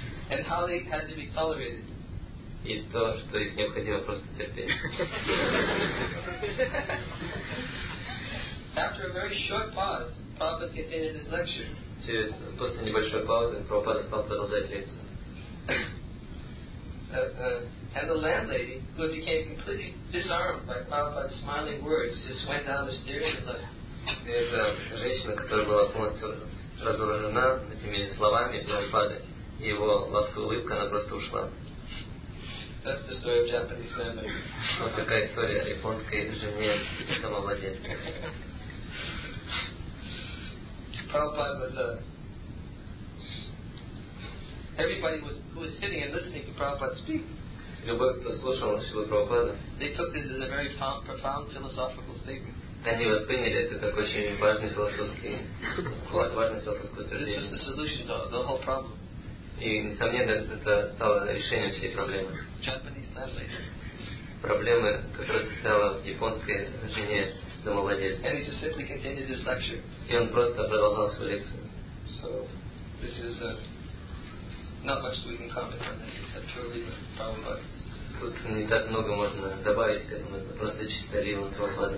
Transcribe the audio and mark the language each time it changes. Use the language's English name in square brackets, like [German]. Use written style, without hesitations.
[English] And how they had to be tolerated. [Russian] И то, что их необходимо просто терпеть. [English] After a very short pause, Prabhupada continued his lecture. [Russian] Через после небольшой паузы Прабхупада стал продолжать лекцию. [English] And the landlady, who became completely disarmed by Prabhupada's smiling words, just went down the stairs and left. [Russian] Эта женщина, которая была полностью разоружена этими словами Прабхупады, его ласковая улыбка, она просто ушла. [English] That's the story of Japanese landlady. [Russian] Вот такая история о японской жене домовладельца. [English] Prabhupada everybody was who was sitting and listening to Prabhupada speak. [Russian] Любой, кто слушал Шрилу Прабхупаду. [English] They took this as a very profound philosophical statement. [Russian] Они восприняли это как очень важный философский важный философский утверждение. [English] This was the solution to the whole problem. [Russian] И, несомненно, это стало решением всей проблемы. [English] Japanese family. [Russian] Проблемы, которая состояла в японской жене домовладельца. [English] And he just simply continued his lecture. [Russian] И он просто продолжал свою лекцию. [English] So, this is not much we can comment on that. It's a purely problem, but... [Russian] Тут не так много можно добавить к этому. Это просто чисто рива Прабхупады.